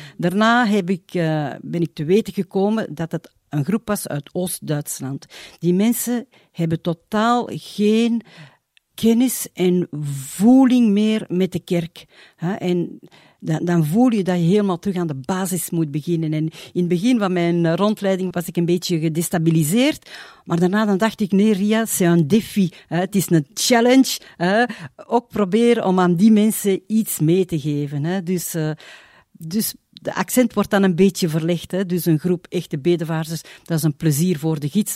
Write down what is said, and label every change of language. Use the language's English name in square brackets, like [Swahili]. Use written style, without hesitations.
[Dutch] Daarna ben ik te weten gekomen dat het een groep was uit Oost-Duitsland. Die mensen hebben totaal geen kennis en voeling meer met de kerk. Hè. En dan voel je dat je helemaal terug aan de basis moet beginnen. En in het begin van mijn rondleiding was ik een beetje gedestabiliseerd. Maar daarna dan dacht ik, nee Ria, [French] c'est un défi. [Dutch] Het is een challenge. Ook proberen om aan die mensen iets mee te geven. Dus de accent wordt dan een beetje verlegd. Dus een groep echte bedevaarders, dat is een plezier voor de gids.